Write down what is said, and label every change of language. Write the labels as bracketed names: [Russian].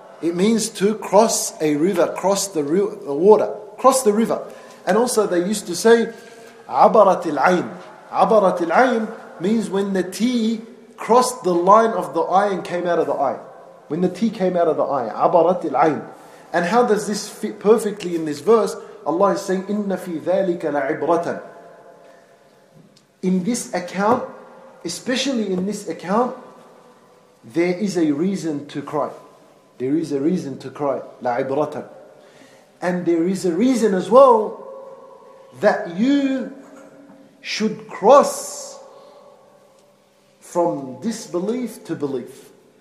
[English] It means to cross a river, cross the water, cross the river. And also they used to say, [Arabic] عبرت العين. عبرت العين [English] means when the tea crossed the line of the eye and came out of the eye. When the tea came out of the eye. [Arabic] عبرت العين. [English] And how does this fit perfectly in this verse? Allah is saying, [Arabic] إِنَّ فِي ذَٰلِكَ لَعِبْرَةً. [English] In this account, especially in this account, there is a reason to cry. There is a reason to cry. لَعِبْرَةً. And there is a reason as well that you should cross from disbelief to belief.